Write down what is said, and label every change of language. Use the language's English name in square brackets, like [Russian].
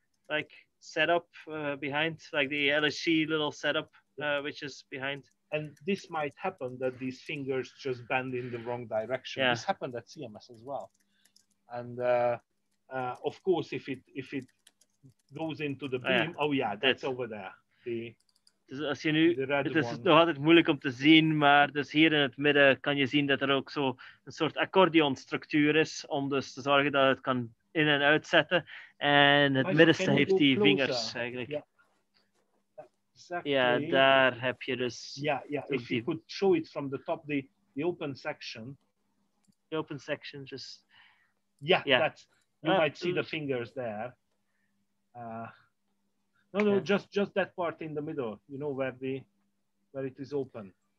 [English] Like setup behind, like the LSC little setup, which is behind? And this might happen that these fingers just bend in the wrong direction. Yeah. This happened at CMS as well. And of course, if it goes into the beam, that's over there. [Dutch] Het is nog moeilijk om te zien, maar dus hier in het midden kan je zien dat er ook zo een soort accordeonstructuur is om dus te zorgen dat het kan in- en uitzetten. En het middenste heeft die vingers eigenlijk. Ja, exactly. Ja, daar heb je dus... Ja, ja. [English] If you could show it from the top, the open section. The open section, just... Yeah. That's... You might see the fingers there. Just that part in the middle, you know, where it is open.